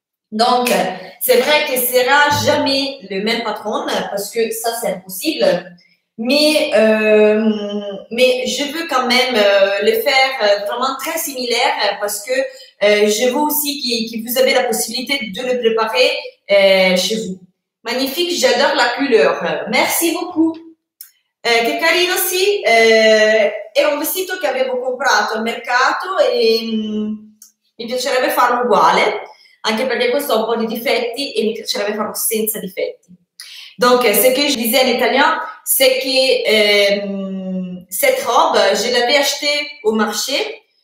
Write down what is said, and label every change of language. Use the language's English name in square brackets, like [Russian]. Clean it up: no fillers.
[French] Donc, c'est vrai que ce sera jamais le même patron parce que ça c'est impossible, mais je veux quand même le faire vraiment très similaire parce que je vois aussi que vous avez la possibilité de le préparer chez vous. Magnifique, j'adore la couleur. Merci beaucoup. [Italian] Che carino, sì. È un vestito che avevo comprato al mercato e mi piacerebbe farlo uguale, anche perché questo ha un po' di difetti e mi piacerebbe farlo senza difetti. [French] Donc, ce que je disais en italien, c'est que cette robe, je l'avais achetée au marché.